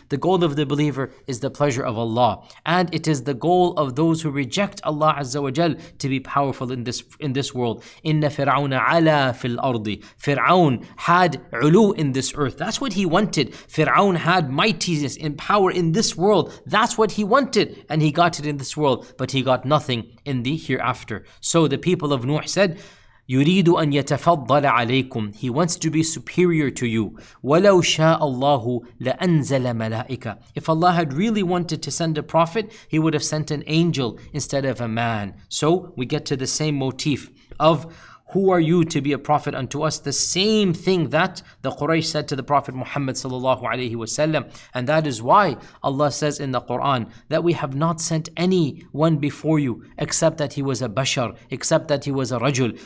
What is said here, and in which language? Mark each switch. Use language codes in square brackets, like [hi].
[en] The goal of the believer is the pleasure of Allah. And it is the goal of those who reject Allah Azza wa Jal to be powerful in this world. [ar] Inna Fir'auna ala fil ardi. [en] Fir'aun had ulu in this earth. That's what he wanted. Fir'aun had mightiness and power in this world. That's what he wanted. And he got it in this world, but he got nothing in the hereafter. So the people of Nuh said, [ar] يريد أن يتفضل عليكم. [en] He wants to be superior to you. [ar] ولو شاء الله لأنزل ملائكة. [en] If Allah had really wanted to send a prophet, he would have sent an angel instead of a man. So we get to the same motif of who are you to be a prophet unto us? The same thing that the Quraysh said to the Prophet Muhammad sallallahu alaihi wasallam. And that is why Allah says in the Quran that we have not sent anyone before you except that he was a bashar, except that he was a rajul.